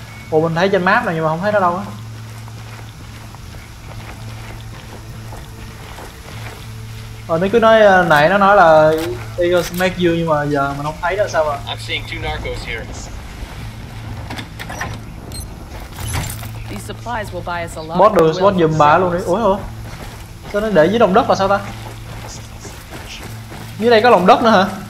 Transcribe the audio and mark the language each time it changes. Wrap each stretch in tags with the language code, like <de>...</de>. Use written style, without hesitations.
<vi>Ủa mình thấy trên map này nhưng mà không thấy nó đâu á. Rồi mấy cứ nói nãy nó nói là</vi> <en>they gonna make you</en> <vi>nhưng mà giờ mình không thấy đâu sao mà.</vi> <en>I'm seeing two narcos here. These supplies will buy us a lot.</en> <vi>Bot được spot giùm bà luôn đi. Ủa hả? Sao nó để dưới lòng đất là sao ta? Dưới đây có lòng đất nữa hả?</vi>